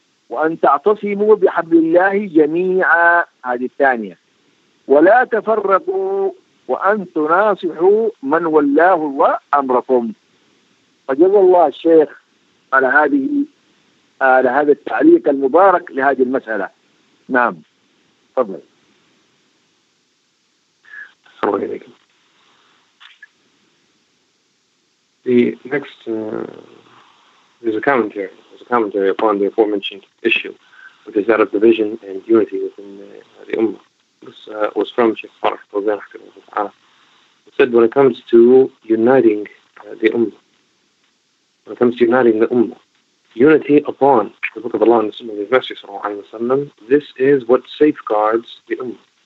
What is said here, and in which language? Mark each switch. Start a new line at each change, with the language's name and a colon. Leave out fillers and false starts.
Arabic: وأن تعتصموا بحبل الله جميعا هذه الثانية ولا تفرقوا وأن تناصحوا من ولاه الله أمركم فجزا الله الشيخ على هذه على هذا التعليق المبارك لهذه المسألة نعم تفضل السلام عليكم
English: The next is a commentary. It's a commentary upon the aforementioned issue, which is that of division and unity within the Ummah. بس was from شيخ صالح طوزان حفظه الله تعالى. He said when it comes to uniting the ummah, when it comes to uniting the ummah, unity upon the book of Allah and the Sunnah of the Messenger sallallahu alaihi wasallam, this is what safeguards the ummah.